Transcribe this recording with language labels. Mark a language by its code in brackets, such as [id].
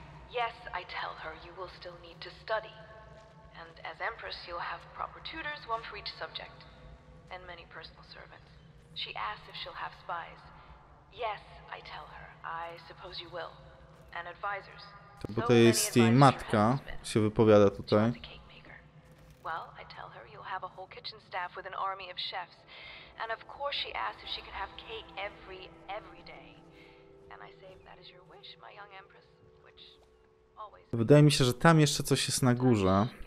[en] Yes, I tell her you will still need to study. And as Empress you'll have proper tutors, one for each subject. And many personal servants. She asks if she'll have spies. Yes, I tell her. I suppose you will. And advisors. [pl] To tutaj jest jej matka, się wypowiada tutaj. [en] Well, I tell her you'll have a whole kitchen staff with an army of chefs. And of course she asks if she can have cake every day. And I say that is your wish, my young empress, which always. [pl] Wydaje mi się, że tam jeszcze coś jest na górze.